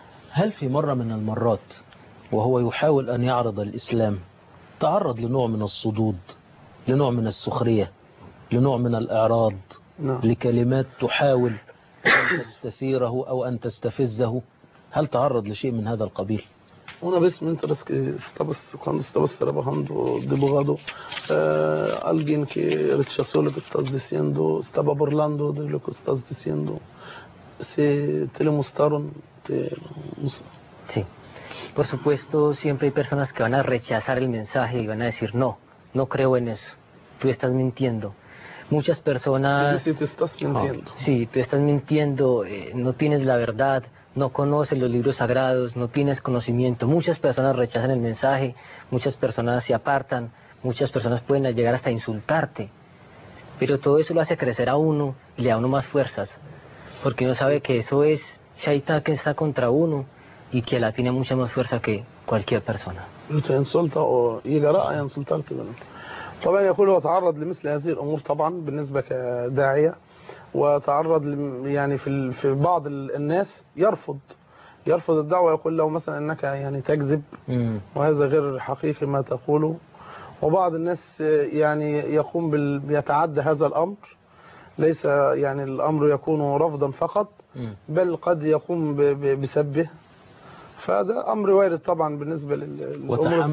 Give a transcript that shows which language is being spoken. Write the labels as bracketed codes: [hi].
[ar] هل في مرة من المرات وهو يحاول أن يعرض الإسلام تعرض لنوع من الصدود، لنوع من السخرية، لنوع من الإعراض، لكلمات تحاول أن تستثيره أو أن تستفزه، هل تعرض لشيء من هذا القبيل؟ [es] Una vez mientras que estabas, cuando estabas trabajando de abogado, alguien que rechazó lo que estás diciendo, estaba burlando de lo que estás diciendo, se te lo mostraron. Sí, por supuesto, siempre hay personas que van a rechazar el mensaje y van a decir, no, no creo en eso, tú estás mintiendo. Muchas personas... Sí, te estás mintiendo. Oh, sí, tú estás mintiendo, no tienes la verdad, no conoces los libros sagrados, no tienes conocimiento. Muchas personas rechazan el mensaje, muchas personas se apartan, muchas personas pueden llegar hasta insultarte. Pero todo eso lo hace crecer a uno y le da a uno más fuerzas. Porque uno sabe que eso es Shaitán que está contra uno y que la tiene mucha más fuerza que cualquier persona. Te insulta o llegará a insultarte. [ar] طبعا يقول وتعرض لمثل هذه الامور طبعا بالنسبه كداعيه وتعرض يعني في بعض الناس يرفض الدعوه يقول له مثلا انك يعني تكذب وهذا غير حقيقي ما تقوله وبعض الناس يعني يقوم بيتعدى هذا الامر ليس يعني الامر يكون رفضا فقط بل قد يقوم بسبه فهذا امر وارد طبعا بالنسبه للامور